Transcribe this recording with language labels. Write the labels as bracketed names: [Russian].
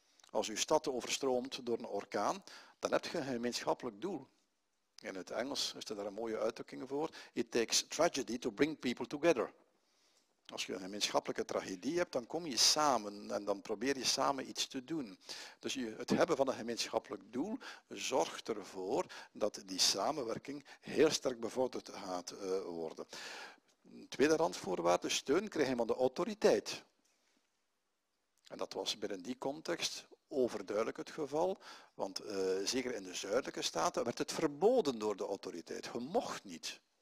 [Dutch] Als uw stad overstroomt door een orkaan, dan heb je een gemeenschappelijk doel. In het Engels is er daar een mooie uitdrukking voor. [English] It takes tragedy to bring people together. [Dutch] Als je een gemeenschappelijke tragedie hebt, dan kom je samen en dan probeer je samen iets te doen. Dus het hebben van een gemeenschappelijk doel zorgt ervoor dat die samenwerking heel sterk bevorderd gaat worden. Tweede randvoorwaarde, steun kreeg je van de autoriteit. En dat was binnen die context overduidelijk het geval, want zeker in de zuidelijke staten werd het verboden door de autoriteit. Je mocht niet.